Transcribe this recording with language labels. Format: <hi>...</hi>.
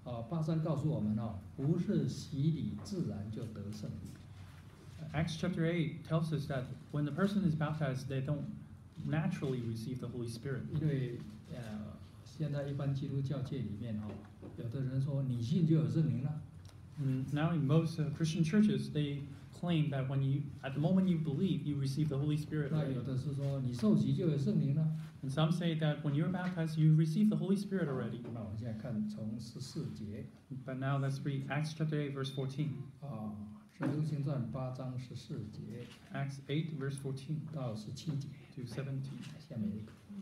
<zh>八章告诉我们哦，不是洗礼自然就得圣灵。</zh> <en>Acts chapter 8 tells us that when the person is baptized, they don't naturally receive the Holy Spirit.</en> <zh>因为现在一般基督教界里面哦，有的人说你信就有圣灵了。</zh> <en>Now in most Christian churches, they claim that when you at the moment you believe, you receive the Holy Spirit.</en> <zh>那有的是说你受洗就有圣灵了。</zh> <en>And some say that when you're baptized, you've received the Holy Spirit already.</en> <zh>那我们现在看从十四节。</zh> <en>But now let's read Acts chapter 8, verse 14.</en> <zh>哦，使徒行传八章十四节。</zh> <en>Acts 8, verse 14.</en> <zh>到十七节。</zh> <en>To 17.</en> <zh>来，下面一个。</zh>